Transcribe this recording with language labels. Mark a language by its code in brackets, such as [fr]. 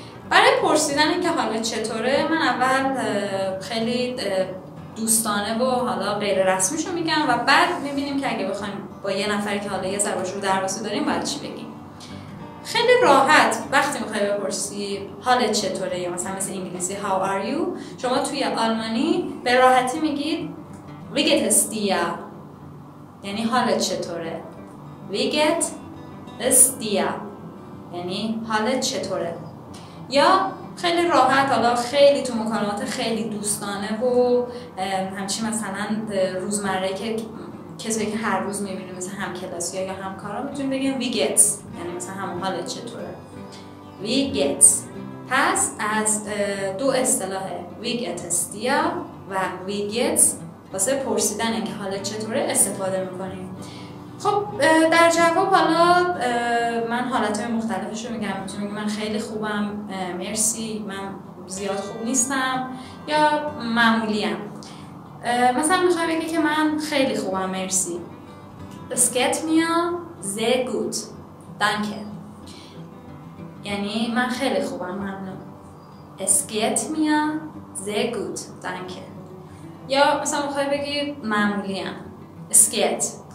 [fa] برای پرسیدن اینکه حالت چطوره من اول خیلی دوستانه و حالا غیر رسمیشو میگم و بعد میبینیم که اگه بخوایم با یه نفری که حالا یه ذره‌شو درواسی داریم باید چی بگیم. خیلی راحت وقتی میخوای بپرسی حالت چطوره یا مثلا انگلیسی [en] How are you، [fa] شما توی آلمانی به راحتی میگید [de] Wie geht's dir، [fa] یعنی حالت چطوره. [de] Wie geht es dir، [fa] یعنی حالت چطوره. یا خیلی راحت حالا خیلی تو مکالمات خیلی دوستانه و همچی مثلا روزمره که کسایی که هر روز میبینیم مثلا همکلاسی یا همکارا میتونیم بگیم [de] Wie geht's، [fa] یعنی مثلا همون حالت چطوره. [de] Wie geht's. [fa] پس از دو اصطلاح [de] Wie geht es dir [fa] و [de] Wie geht's [fa] واسه پرسیدن اینکه حالت چطوره استفاده میکنیم. خب در جواب حالا من حالتهای مختلفش رو میگم، میتونم من خیلی خوبم، مرسی، من زیاد خوب نیستم یا معمولیم. مثلا میخوام بگم که من خیلی خوبم، مرسی. [de] Es geht mir sehr gut، danke. [fa] یعنی من خیلی خوبم، ممنون. [de] Es geht mir sehr gut، danke. [fa] یا مثلا میخوای بگی معمولیم، اسکیت.